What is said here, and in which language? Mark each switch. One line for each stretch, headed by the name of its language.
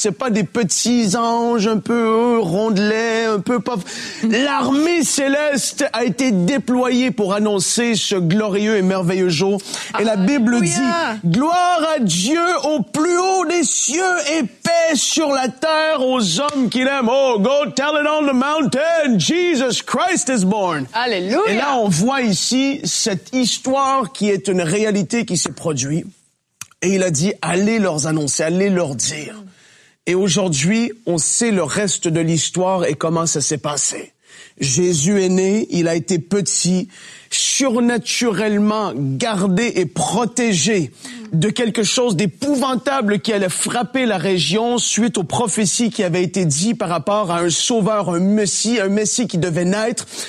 French: C'est pas des petits anges un peu rondelets, un peu pauvres. L'armée céleste a été déployée pour annoncer ce glorieux et merveilleux jour. Et la Bible dit, gloire à Dieu au plus haut des cieux et paix sur la terre aux hommes qu'il aime.
English: Oh, go tell on the mountain, Jesus Christ is born.
French: Alléluia. Et là, on voit ici cette histoire qui est une réalité qui s'est produite. Et il a dit, allez leur annoncer, allez leur dire. Et aujourd'hui, on sait le reste de l'histoire et comment ça s'est passé. Jésus est né, il a été petit, surnaturellement gardé et protégé de quelque chose d'épouvantable qui allait frapper la région suite aux prophéties qui avaient été dites par rapport à un sauveur, un messie qui devait naître.